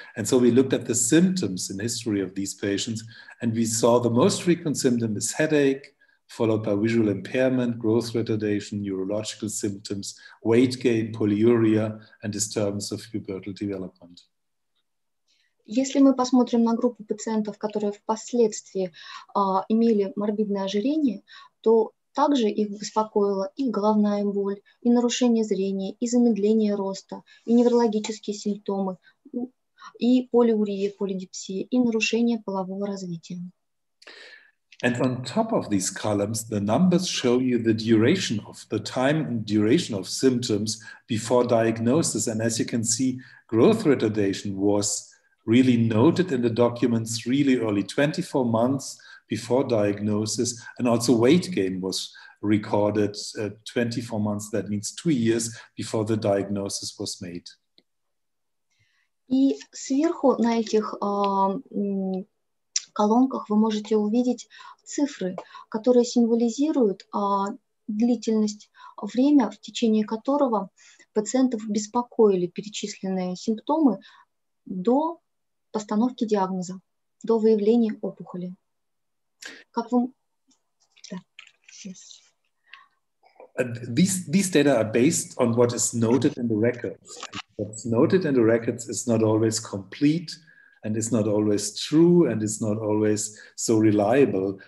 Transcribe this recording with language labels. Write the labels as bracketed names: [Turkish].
[English] And so we looked at the symptoms in history of these patients, and we saw the most frequent symptom is headache, followed by visual impairment, growth retardation, neurological symptoms, weight gain, polyuria, and disturbance of pubertal development. [Russian] Если мы посмотрим на группу пациентов, которые впоследствии имели морбидное ожирение, то также их беспокоила и головная боль, и нарушение зрения, и замедление роста, и неврологические симптомы, и полиурия, полидипсия, и нарушение полового развития. [English] And on top of these columns, the numbers show you the time and duration of symptoms before diagnosis. And as you can see, growth retardation was really noted in the documents really early, 24 months before diagnosis, and also weight gain was recorded 24 months, that means 2 years before the diagnosis was made. [Russian] И сверху на этих колонках вы можете увидеть цифры, которые символизируют длительность, время, в течение которого пациентов беспокоили перечисленные симптомы до постановки диагноза, до выявления опухоли. Как вам? Да. [English] Yes. These data are based on what is noted in the records. What's noted in the records is not always complete and is not always true and is not always so reliable.